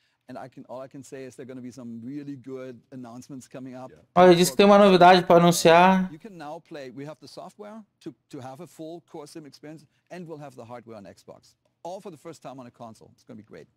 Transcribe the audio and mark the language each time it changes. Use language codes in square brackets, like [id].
[en] And all I can say is there are going to be some really good announcements coming up. [pt] Olha, disse que tem uma novidade para anunciar. [en] You can now play. We have the software to have a full core sim experience, and we'll have the hardware on Xbox. All for the first time on a console. It's going to be great.